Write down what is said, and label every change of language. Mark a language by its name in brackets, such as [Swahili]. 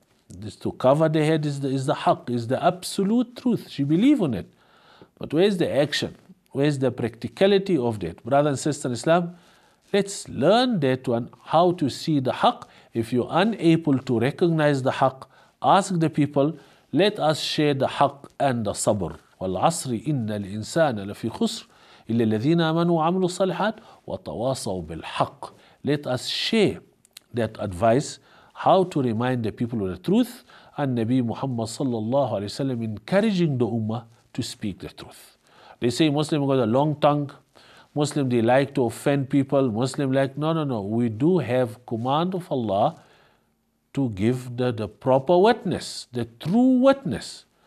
[English] This to cover the head is the haqq, is the absolute truth. She believes in it. But where is the action? Where is the practicality of that? Brother and sister in Islam, let's learn that one, how to see the haqq. If you're unable to recognize the haqq, ask the people, let us share the haqq and the sabr. [Arabic] والعصر إن الإنسان لفي خسر إلا الذين آمنوا وعملوا الصالحات وتواصوا بالحق. [English] Let us share that advice, how to remind the people of the truth, and Nabi Muhammad [Arabic] صلى الله عليه وسلم [English] encouraging the ummah to speak the truth. They say Muslim got a long tongue, Muslim, they like to offend people. Muslim like, no. We do have command of Allah to give the proper witness, the true witness.